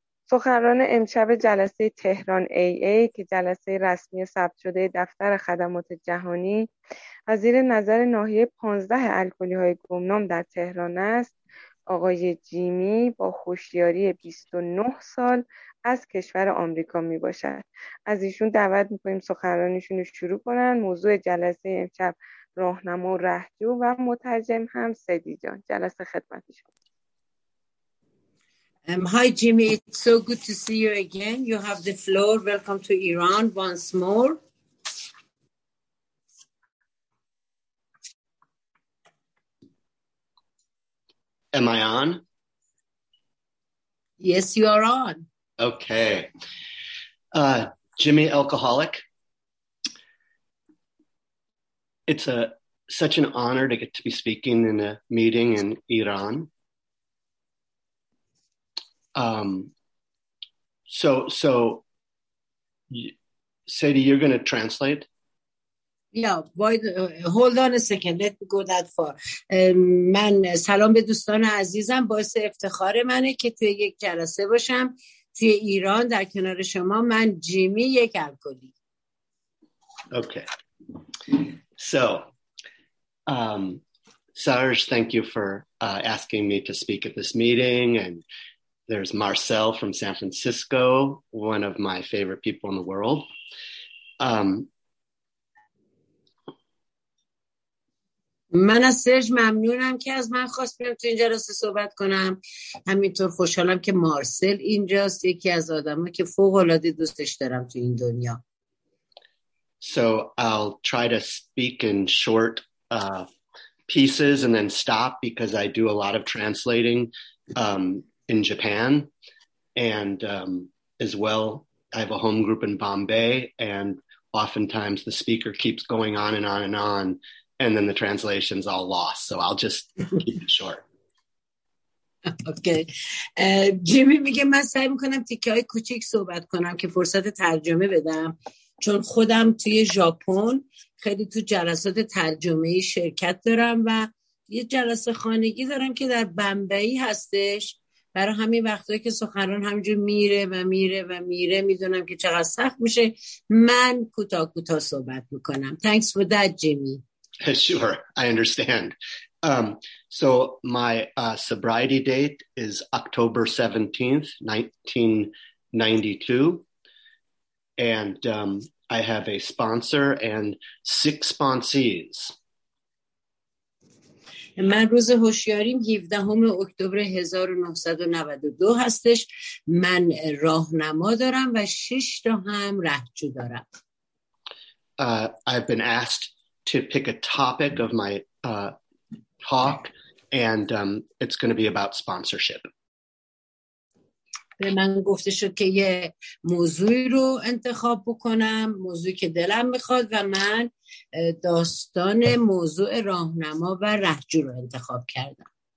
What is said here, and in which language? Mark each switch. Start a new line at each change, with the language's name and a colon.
Persian: سخنران امشب جلسه تهران AA که جلسه رسمی ثبت شده دفتر خدمات جهانی و زیر نظر ناحیه 15 الکلی های گمنام در تهران است، آقای جیمی با هوشیاری 29 سال از کشور آمریکا می باشد. از ایشون دعوت می کنیم سخنرانیشون رو شروع کنند. موضوع جلسه امشب راهنما و رهجو و مترجم هم سدی جان. جلسه خدمت شما.
English: Hi, Jimmy. It's so good to see you again. You have the floor. Welcome to Iran once more. Am I on? Yes, you are on. Okay. Jimmy, alcoholic. It's such an honor to get to be speaking in a meeting in Iran. So Sadie, you're going to translate? Yeah, hold on a second. Let me go that far.
Persian: من سلام به دوستان عزیزم. باعث افتخار منه که توی یک جلسه باشم توی ایران در کنار شما. من جیمی یک الکلی.
English: Okay. So, Sarge, thank you for asking me to speak at this meeting, and there's Marcel from San Francisco, one of my favorite people in the world.
Persian: من از سرژ ممنونم که از من خواست بیام تو این جلسه صحبت کنم. همینطور خوشحالم که مارسل اینجاست، یکی از آدم‌ها که فوق‌العاده دوستش دارم تو این دنیا.
English: So I'll try to speak in short pieces and then stop because I do a lot of translating in Japan and as well I have a home group in Bombay and oftentimes the speaker keeps going on and on and on and then the translation's all lost, so I'll just keep it short. Okay.
Persian: Jimmy میگه من سعی میکنم تیکه های کوچیک صحبت کنم که فرصت ترجمه بدم، چون خودم توی ژاپن خیلی تو جلسات ترجمه شرکت دارم و یه جلسه خانگی دارم که در بمبئی هستش. برای همین وقتایی که سخنران همینجور میره و میره و میره میدونم که چقدر سخت میشه، من کوتاه کوتاه صحبت میکنم.
English: Thanks for that, Jimmy. Sure, I understand. So my sobriety date is October 17th, 1992. And I have a sponsor and 6 sponsees.
Persian: من روز هوشیاریم 17 اکتبر 1992 هستش. من راهنما دارم و 6 تا هم رهجو دارم.
English: I've been asked to pick a topic of my talk and it's going to be about sponsorship.
Persian: به من گفته شد که یه موضوعی رو انتخاب بکنم، موضوعی که دلم میخواد، و من داستان موضوع راهنما و رهجو رو انتخاب کردم.